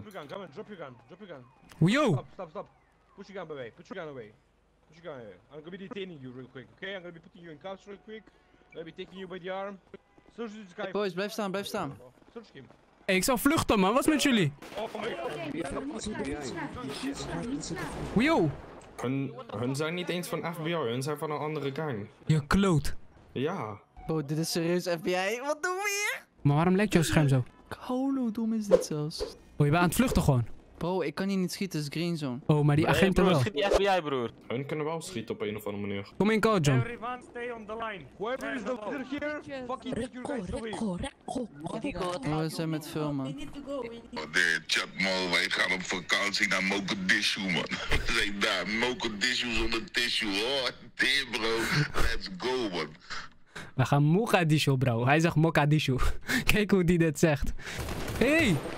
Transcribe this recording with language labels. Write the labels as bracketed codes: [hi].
[en] Drop your gun, come on, drop your gun, drop your gun. Woejo! Stop, stop, stop. Push your gun away, put your gun away. Push your gun away. I'm gonna be detaining you real quick, okay? I'm gonna be putting you in cuffs real quick. I'm gonna be taking you by the arm. Search this guy. Hey boys, [nl] blijf staan, blijf staan. [en] Search him. [nl] Hé, ik zou vluchten, man. Wat is met jullie? [en] Oh my god. Woejo! [nl] Hun zijn niet eens van FBI, hun zijn van een andere gang. Je kloot. Ja. Bro, dit is serieus FBI, wat doen we hier? Maar waarom lijkt jouw scherm zo? Holo, dom is dit zelfs. Oh, je bent aan het vluchten gewoon. Bro, ik kan hier niet schieten, het is green zone. Oh, maar die agenten wel. Nee, broer, schiet die FBI, broer. Hun kunnen wel schieten op een of andere manier. Kom in, code, John. [en] Everyone stay on the line. Whoever is the leader here, fucking take your guys away. [nl] We zijn met veel, man. Chatmol, wij gaan op vakantie naar Mogadishu, man. We zijn daar, Mogadishu zonder tissue. [en] Oh, damn, bro. Let's go, man. [nl] We gaan Mogadishu, bro. Hij zegt Mogadishu. Kijk hoe die dit zegt. Hey!